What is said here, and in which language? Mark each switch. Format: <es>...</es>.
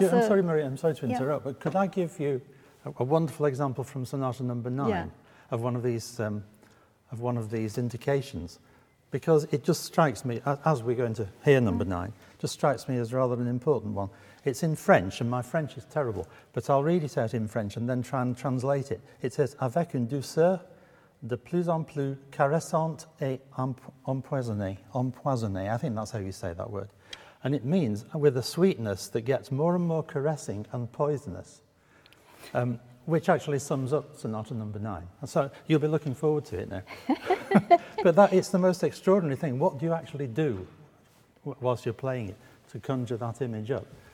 <en>So, I'm sorry, Maria. I'm sorry to interrupt. Yeah. But could I give you a wonderful example from Sonata Number 9 of one of these indications? Because it just strikes me, as we're going to hear number 9, just strikes me as rather an important one. It's in French, and my French is terrible, but I'll read it out in French and then try and translate it. It says,</en> <fr>avec une douceur de plus en plus caressante et empoisonnée.</fr> <en>I think that's how you say that word. And it means, with a sweetness that gets more and more caressing and poisonous, which actually sums up Sonata Number 9. So you'll be looking forward to it now. But that it's the most extraordinary thing. What do you actually do whilst you're playing it to conjure that image up?</en>